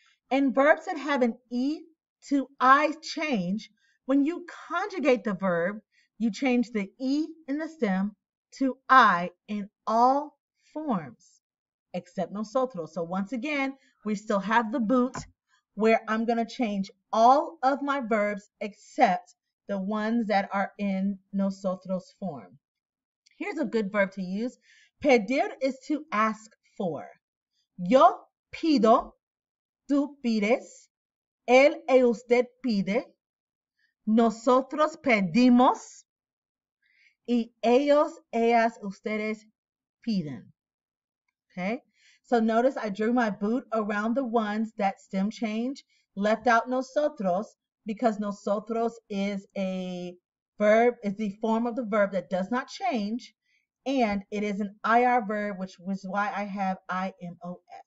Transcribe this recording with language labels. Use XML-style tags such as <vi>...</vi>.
<en>And verbs that have an E to I change, when you conjugate the verb, you change the E in the stem to I in all forms, except nosotros. So once again, we still have the boot where I'm going to change all of my verbs except the ones that are in nosotros form. Here's a good verb to use. Pedir is to ask for.</en> <es>Yo pido, tú pides, él y usted pide, nosotros pedimos, y ellos, ellas, ustedes piden.</es> <en>Okay, so notice I drew my boot around the ones that stem change, left out nosotros because nosotros is a verb, is the form of the verb that does not change. And it is an IR verb, which was why I have IMOS.</en>